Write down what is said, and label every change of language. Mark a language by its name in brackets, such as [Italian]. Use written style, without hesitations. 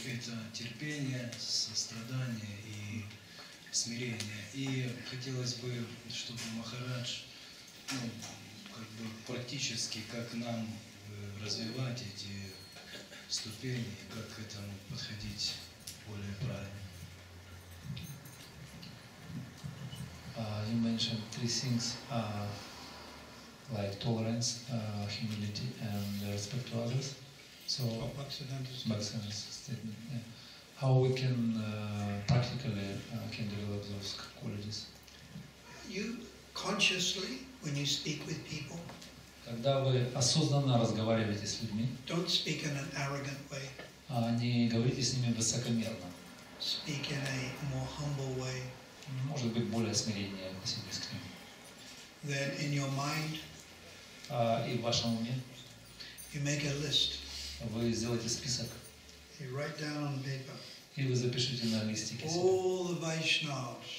[Russian] Это терпение, сострадание и смирение. И хотелось бы, чтобы Махарадж, ну, как бы практически, как нам развивать эти ступени, как к этому подходить более правильно. [English] You mentioned three things, like tolerance, humility, and respect to others. So, Bhaksananda's statement. Yeah. How we can practically can develop those qualities? You consciously, when you speak with people. [Russian] Когда вы осознанно разговариваете с людьми. [English] Don't speak in an arrogant way. [Russian] Не говорите с ними высокомерно. [English] Speak in a more humble way. [Russian] Может быть, более смирение относительно к ним. [English] Then in your mind, [Russian] и в вашем уме [English] you make a list. [Russian] Вы сделаете список. [English] You write down on paper. [Russian] И вы запишите на листике [English] all the Vaishnavas.